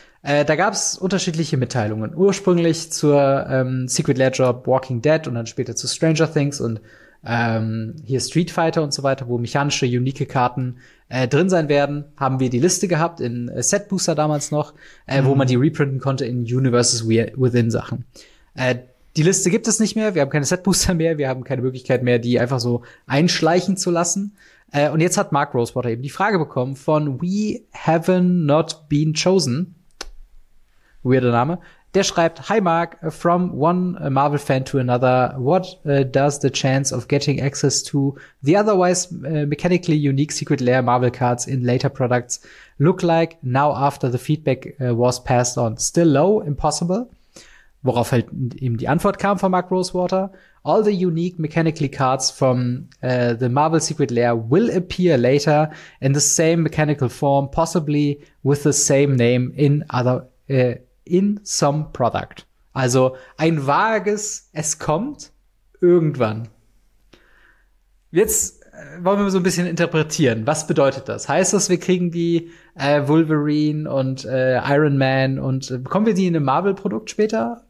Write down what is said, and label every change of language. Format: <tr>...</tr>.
<de>Da gab es unterschiedliche Mitteilungen. Ursprünglich zur Secret Lair Drop Walking Dead und dann später zu Stranger Things und hier Street Fighter und so weiter, wo mechanische, unique Karten drin sein werden, haben wir die Liste gehabt in Set Booster damals noch, wo man die reprinten konnte in Universes Within Sachen. Die Liste gibt es nicht mehr, wir haben keine Set Booster mehr, wir haben keine Möglichkeit mehr, die einfach so einschleichen zu lassen. Und jetzt hat Mark Rosewater eben die Frage bekommen von We Haven't Not Been Chosen. Weirder Name. Der schreibt,</de> <en>Hi Mark, from one Marvel fan to another, what does the chance of getting access to the otherwise mechanically unique Secret Lair Marvel cards in later products look like now after the feedback was passed on? Still low? Impossible?</en> <de>Worauf halt eben die Antwort kam von Mark Rosewater.</de> <en>All the unique mechanically cards from the Marvel Secret Lair will appear later in the same mechanical form, possibly with the same name in other in some product.</en> <de>Also ein vages, es kommt irgendwann. Jetzt wollen wir so ein bisschen interpretieren. Was bedeutet das? Heißt das, wir kriegen die Wolverine und Iron Man und bekommen wir die in einem Marvel-Produkt später?</de>